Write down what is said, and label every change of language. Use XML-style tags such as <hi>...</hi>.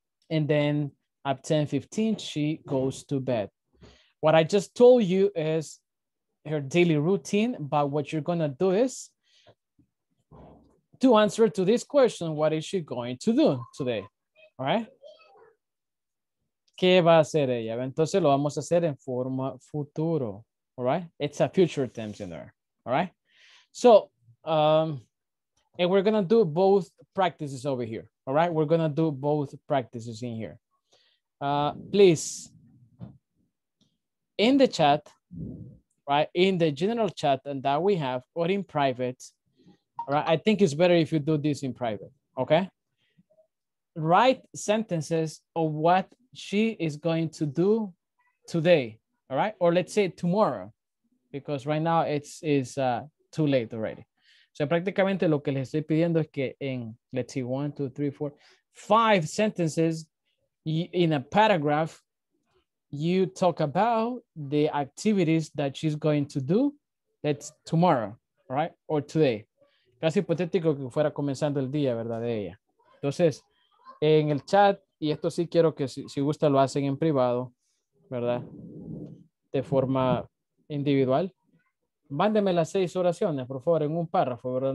<en>And then at 10:15, she goes to bed. What I just told you is her daily routine. But what you're going to do is to answer to this question, what is she going to do today? All right?</en> <es>¿Qué va a hacer ella? Entonces lo vamos a hacer en forma futuro.</es> <en>All right? It's a future tense in there. All right? So, and we're going to do both practices over here. All right? We're going to do both practices in here. Please, in the chat, right, in the general chat and that we have, or in private, all right, I think it's better if you do this in private, okay? Write sentences of what she is going to do today, all right? Or let's say tomorrow, because right now it's too late already. So practically,</en> <es>lo que les estoy pidiendo es que en,</es> <en>let's see, 5 sentences in a paragraph, you talk about the activities that she's going to do that's tomorrow, right? Or today.</en> <es>Casi hipotético que fuera comenzando el día, ¿verdad? De ella. Entonces, en el chat, y esto sí quiero que si gusta lo hacen en privado, ¿verdad? De forma individual. Mándeme las 6 oraciones, por favor, en un párrafo, ¿verdad?</es>